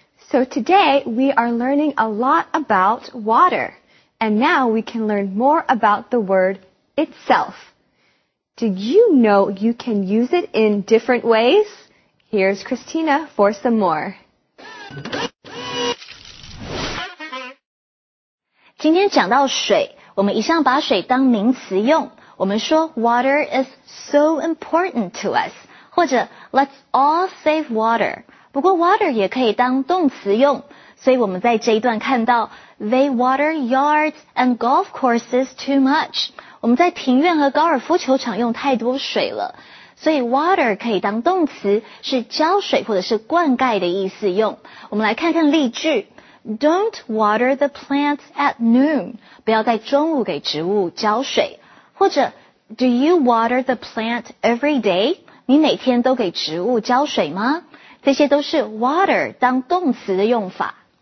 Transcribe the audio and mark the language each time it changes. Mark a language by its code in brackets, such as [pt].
[en] So today, we are learning a lot about water. And now we can learn more about the word itself. Did you know you can use it in different ways? Here's Christina for some more. [zh] 今天讲到水，我们一向把水当名词用。我们说 water is so important to us, 或者 let's all save water. 不过 water 也可以当动词用，所以我们在这一段看到 they water yards and golf courses too much. 我们在庭院和高尔夫球场用太多水了，所以 water 可以当动词，是浇水或者是灌溉的意思用。我们来看看例句 ： Don't water the plants at noon. 不要在中午给植物浇水，或者 [en] Do you water the plant every day? [zh] 你每天都给植物浇水吗？这些都是 water 当动词的用法。